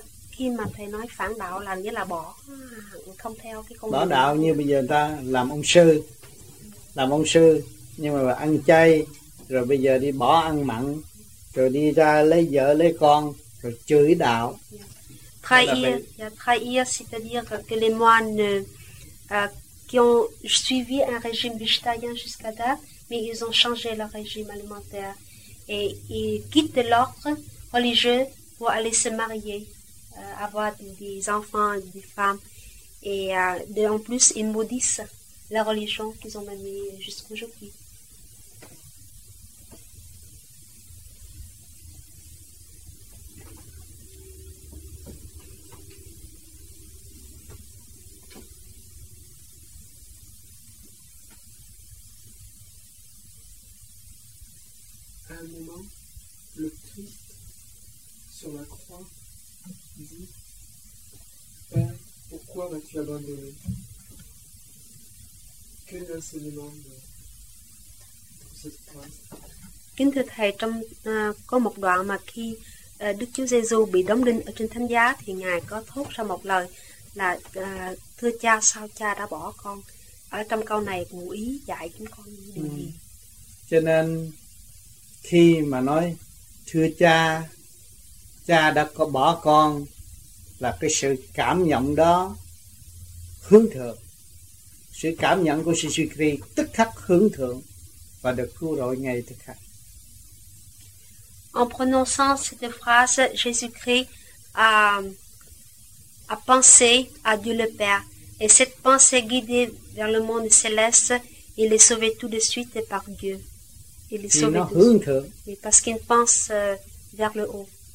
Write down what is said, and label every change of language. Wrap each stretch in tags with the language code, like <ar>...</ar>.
<vi>khi mà thầy nói phản đạo là nghĩa là bỏ không theo cái con bỏ đạo, như bây giờ người ta làm ông sư nhưng mà ăn chay, rồi bây giờ đi bỏ ăn mặn, rồi đi ra lấy vợ lấy con, rồi chửi đạo.</vi> <fr>Trahir, c'est-à-dire que les moines qui ont suivi un régime végétarien jusqu'à date, mais ils ont changé leur régime alimentaire. Et ils quittent l'ordre religieux pour aller se marier, avoir des enfants, des femmes. Et en plus, ils maudissent la religion qu'ils ont menée jusqu'à aujourd'hui. Un moment, le Christ sur la croix dit: Père, pourquoi m'as-tu abandonné? Quel enseignement de cette phrase?</fr> <vi>Kính thưa thầy, trong có một đoạn mà khi Đức Chúa Giêsu bị đóng đinh ở trên thánh giá, thì ngài có thốt ra một lời là thưa cha, sao cha đã bỏ con? Ở trong câu này ngụ ý dạy chúng con điều gì? Cho nên khi mà nói thưa cha đã có bỏ con, là cái sự cảm nhận đó hướng thượng. Sự cảm nhận của Sri Sri tức khắc hướng thượng và được cứu rỗi ngay tức khắc.</vi> <fr>En prononçant cette phrase, Jésus-Christ a pensé à Dieu le Père, et cette pensée guidée vers le monde céleste, il est sauvé tout de suite par Dieu. Il est sauvé tout de suite. Et parce qu'il pense vers le haut.</fr>